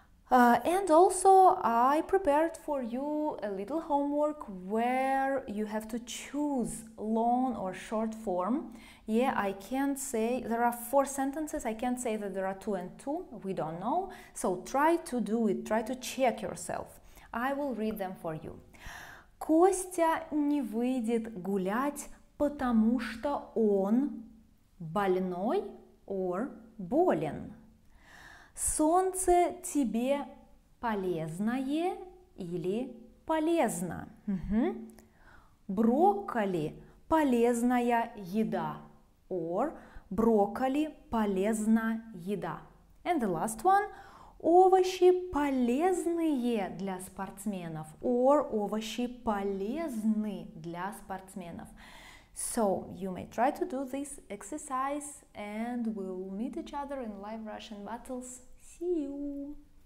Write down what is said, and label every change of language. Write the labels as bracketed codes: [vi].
[en] And also, I prepared for you a little homework where you have to choose long or short form. Yeah, I can't say, there are four sentences, I can't say that there are two and two, we don't know. So try to do it, try to check yourself. I will read them for you. [ru] Костя не выйдет гулять, потому что он больной or болен. Солнце тебе полезное или полезно? Брокколи полезная еда. [en] Or [ru] брокколи полезна еда. [en] And the last one. [ru] Овощи полезные для спортсменов. Or овощи полезны для спортсменов. [en] So, you may try to do this exercise and we'll meet each other in Live Russian Battles. See you!